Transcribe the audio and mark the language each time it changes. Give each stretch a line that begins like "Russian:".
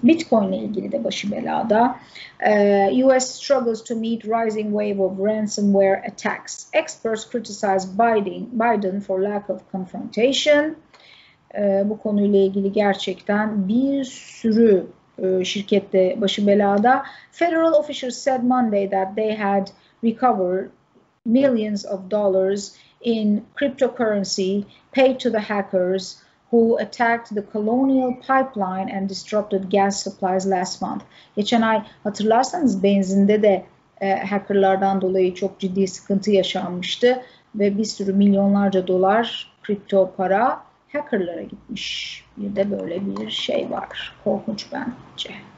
Turkish: Bitcoin ile ilgili de başı belada.
English: US struggles to meet rising wave of ransomware attacks. Experts criticize Biden for lack of confrontation.
Turkish: Bu konuyla ilgili gerçekten bir sürü şirkette başı belada.
English: Federal officials said Monday that they had recovered millions of dollars in cryptocurrency paid to the hackers who attacked the Colonial Pipeline and disrupted gas supplies last month.
Turkish: Geçen ay hatırlarsanız benzinde de hackerlardan dolayı çok ciddi sıkıntı yaşanmıştı ve bir sürü milyonlarca dolar kripto para hackerlara gitmiş. Bir de böyle bir şey var. Korkunç bence.